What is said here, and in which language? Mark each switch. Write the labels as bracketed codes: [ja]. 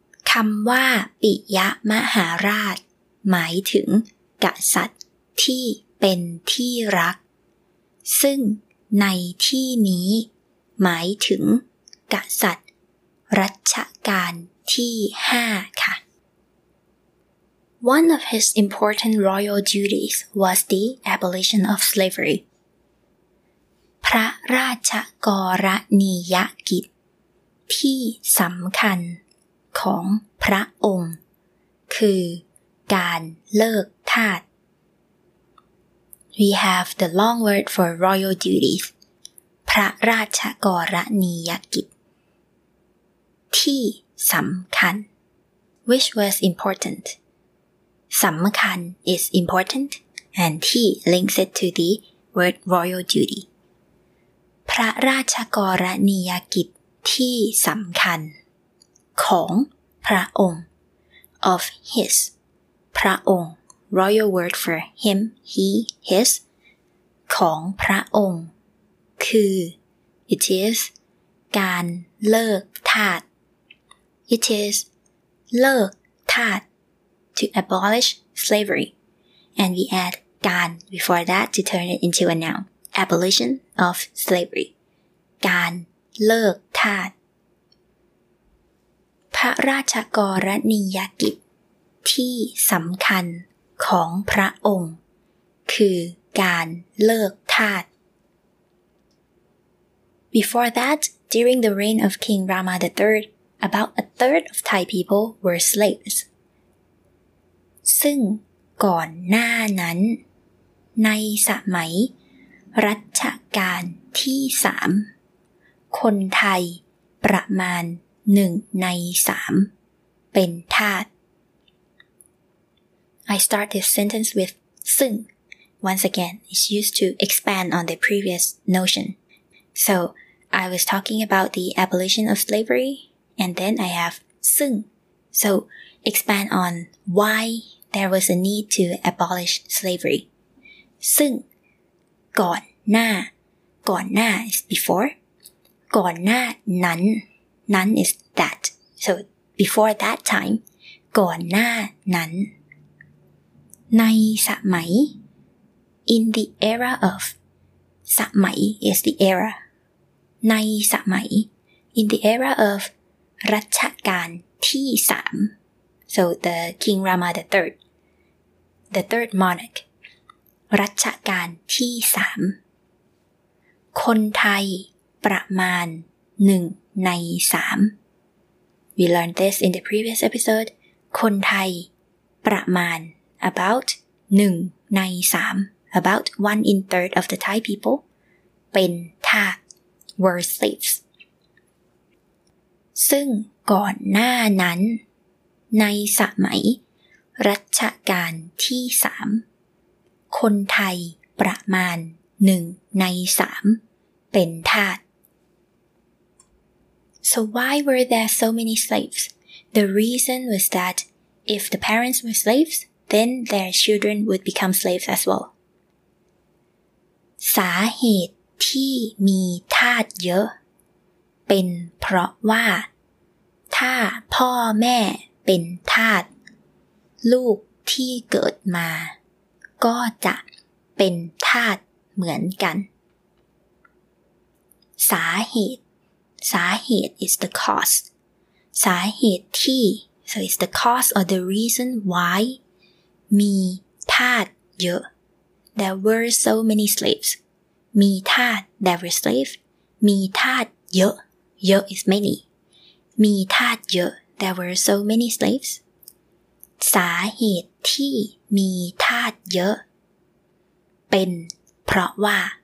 [th] คำว่าปิยมหาราชหมายถึงกษัตริย์ที่เป็นที่รักซึ่งในที่นี้หมายถึงกษัตริย์รัชกาลที่5ค่ะ [en] One of his important royal duties was the abolition of slavery. [th] พระราชกรณียกิจที่สำคัญของพระองค์คือการเลิกทาส [en] We have the long word for royal duties. [th] พระราชกรณียกิจที่สำคัญ [en] which was important. สำคัญ is important and he links it to the word royal duty [th] พระราชกรณียกิจที่สำคัญของพระองค์ [en] of his พระองค์ royal word for him he his [th] ของพระองค์คือ [en] it is [th] การเลิกทาส [en] it is [th] เลิกทาส [en] to abolish slavery and we add การ before that to turn it into a noun abolition of slavery [th] การเลิกทาสพระราชกรณียกิจที่สำคัญของพระองค์คือการเลิกทาส [en] before that during the reign of king rama the third about a third of thai people were slaves [th] ซึ่งก่อนหน้านั้นในสมัยรัชกาลที่3คนไทยประมาณ1ใน3เป็นทาส [en] I start this sentence with ซึ่ง once again it's used to expand on the previous notion so I was talking about the abolition of slavery and then I have ซึ่ง so expand on whyThere was a need to abolish slavery. [th] ซึ่งก่อนหน้าก่อนหน้า [en] is before. [th] ก่อนหน้านั้นนั้น [en] is that. So before that time, [th] ก่อนหน้านั้นในสมัย [en] in the era of สมัย is the era. [th] ในสมัย [en] in the era of [th] รัชกาลที่สาม [en] So the King Rama the thirdThe third monarch, [th] รัชกาลที่สามคนไทยประมาณหนึ่งในสาม [en] We learned this in the previous episode. [th] คนไทยประมาณ about หนึ่งในสาม [en] about one in third of the Thai people [th] เป็นทาส [en] were slaves. [th] ซึ่งก่อนหน้านั้นในสมัยรัชกาลที่สามคนไทยประมาณหนึ่งในสามเป็นทาส [en] So why were there so many slaves? The reason was that if the parents were slaves, then their children would become slaves as well. [th] สาเหตุที่มีทาสเยอะเป็นเพราะว่าถ้าพ่อแม่เป็นทาสลูกที่เกิดมาก็จะเป็นทาสเหมือนกันสาเหตุ [en] is the cause สาเหตุที่ so it's the cause or the reason why [th] มีทาสเยอะ [en] there were so many slaves มีทาส there were slaves [th] มีทาสเยอะ [en] is many มีทาสเยอะ there were so many slaves [th] สาเหตุที่มีทาสเยอะเป็นเพราะว่า